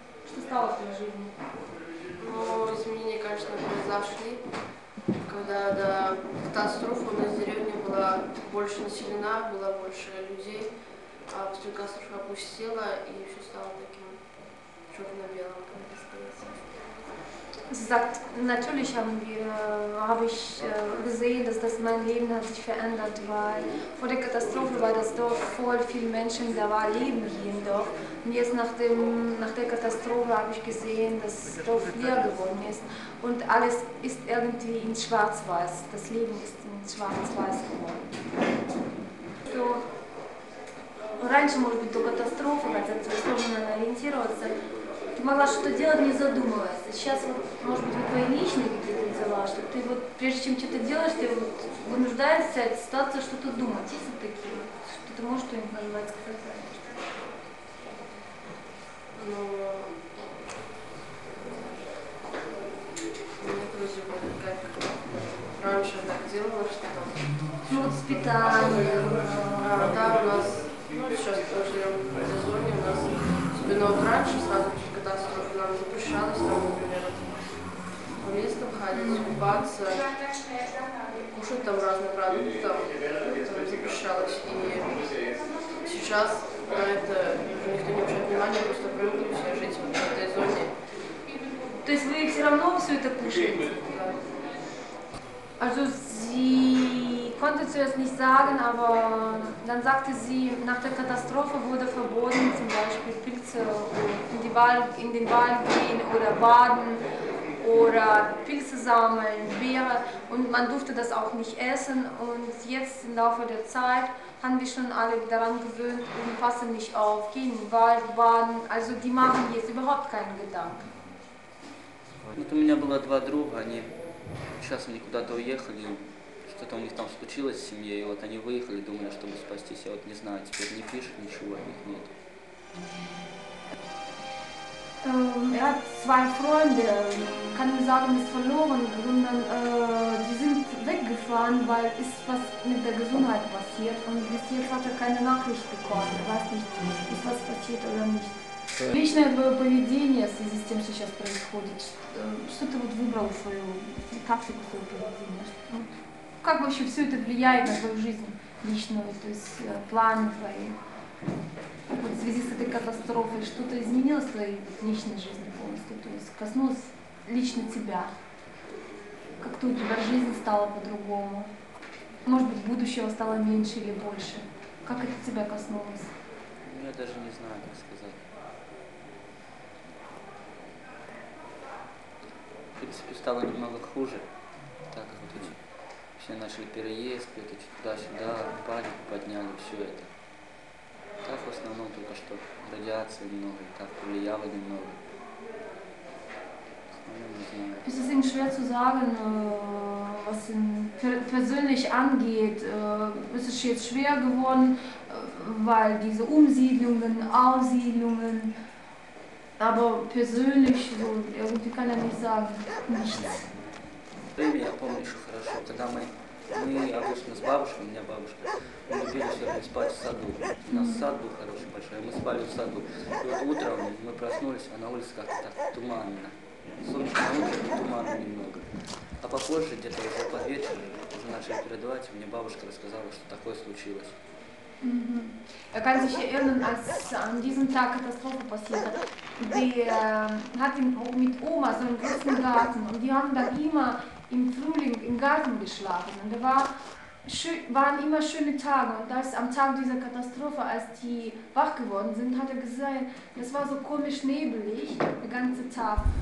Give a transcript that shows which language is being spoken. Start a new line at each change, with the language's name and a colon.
Russian: Что стало в твоей жизни? Изменения, конечно, произошли. Когда до катастрофы у нас деревня была больше населена, было больше людей, а после катастрофы опустела, и все стало таким черно-белым, как бы сказать.
German: Sagt, natürlich haben wir, habe ich gesehen, dass das mein Leben hat sich verändert, weil vor der Katastrophe war das Dorf voll, viele Menschen, da war Leben hier im Dorf. Und jetzt nach der Katastrophe habe ich gesehen, dass das Dorf leer geworden ist. Und alles ist irgendwie in Schwarz-Weiß, das Leben ist in Schwarz-Weiß geworden. So.
Russian: Раньше, может быть, до катастрофы, хотя тебе сложно ориентироваться, ты могла что-то делать, не задумываясь. А сейчас, вот, может быть, в твои личные какие-то дела, что ты вот, прежде чем что-то делаешь, ты вот вынуждаешься от ситуации что-то думать. Есть вот такие вот, что ты можешь что-нибудь назвать, сказать раньше? Ну, мне тоже было как раньше так делала, что там... Ну, вот с питанием. Да, у нас сейчас тоже в сезоне, у нас спиной раньше сразу, когда нам запрещалось, там, например, в лес там ходить, купаться, кушать там разные продукты, там, запрещалось. И сейчас на это никто не обращает внимания, просто привыкли все жить в этой зоне. То есть вы все равно все это кушаете? Да.
German: Also Ich konnte zuerst nicht sagen, aber dann sagte sie, nach der Katastrophe wurde verboten, zum Beispiel Pilze in den Wald gehen oder baden oder Pilze sammeln, Beeren. Und man durfte das auch nicht essen. Und jetzt im Laufe der Zeit haben wir schon alle daran gewöhnt und passen nicht auf, gehen in den Wald, baden. Also die machen jetzt überhaupt keinen Gedanken. Ich hatte zwei Freunde, die sind jetzt irgendwo weg.
Russian: Что-то у них там случилось с семьей, и вот они выехали, думали, чтобы спастись. Я вот не знаю, теперь не пишет ничего, от них нет.
German: Я zwei Freunde, kann ich sagen, ist verloren, sondern die sind weggefahren, weil ist was mit der Gesundheit passiert und bis jetzt hat er keine Nachricht bekommen. Ich weiß nicht, ist was passiert oder nicht.
Russian: Личное твое поведение в связи с тем, что сейчас происходит, что ты вот выбрал свою тактику своего поведения? Как вообще все это влияет на твою жизнь личную, то есть планы твои? Вот в связи с этой катастрофой что-то изменилось в твоей личной жизни полностью, то есть коснулось лично тебя? Как-то у тебя жизнь стала по-другому? Может быть, будущего стало меньше или больше? Как это тебя коснулось? Я даже не знаю, как сказать. В принципе, стало немного хуже. Так, вот эти... Все начали переезд, это туда-сюда, панику подняли, все это. Так в основном только что радиация немного, так повлияло немного.
German: Es ist Ihnen schwer zu sagen, was ihn persönlich angeht. Es ist jetzt schwer geworden, weil diese Umsiedlungen, Aussiedlungen, aber persönlich, so, irgendwie kann er nicht sagen, nichts.
Russian: Я помню еще хорошо, когда мы обычно с бабушкой, у меня бабушка, мы любили все время спать в саду. У нас сад был хороший, большой, мы спали в саду. И вот утром мы проснулись, а на улице как-то так туманно. Солнце на утро туманно немного. А попозже, где-то уже под вечер, уже начали передавать, и мне бабушка рассказала, что такое случилось.
German: Er kann sich erinnern, als an diesem Tag Katastrophe passierte. Die hatten mit Oma so einen großen Garten und die haben da immer im Frühling im Garten geschlafen. Und da waren immer schöne Tage. Und als am Tag dieser Katastrophe, als die wach geworden sind, hat er gesehen, das war so komisch nebelig, der ganze Tag.